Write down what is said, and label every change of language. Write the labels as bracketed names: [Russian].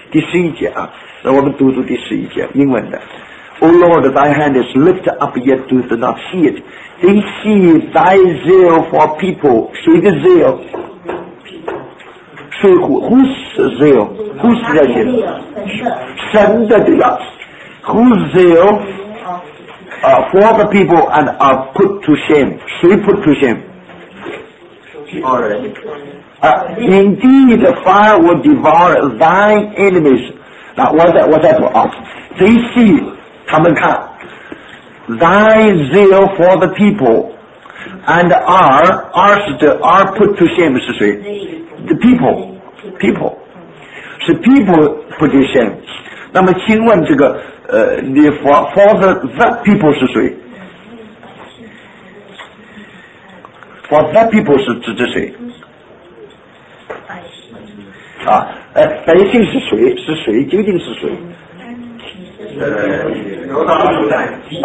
[Chinese] 第十一节啊，那我们读读第十一节英文的 [English] ：O Lord, thy hand is lifted up, yet do they not see it. They see thy zeal for people. [Chinese] 谁的 [English] zeal？ [Chinese] 水壶 [English] ，Who's zeal? Who's [Chinese] 热心？神的这个 ， [English] Who's zeal? For the people and are put to shame. [Chinese] 谁 [English] put to shame? [Chinese] 敌人。 [English] Indeed, fire will devour thine enemies. [Chinese] 那、我再读啊。 [English] They see, [Chinese] 他们看 [English] ，thy zeal for the people and are put to shame [Chinese] 是谁 [English] ？The people. People [Chinese] 是 [English] people put to shame。 [Chinese] 那么，请问这个你 [English] for the people [Chinese] 是谁 ？ [English] For the people [Chinese] 是指的谁？啊，百姓是谁？是谁？究竟是谁？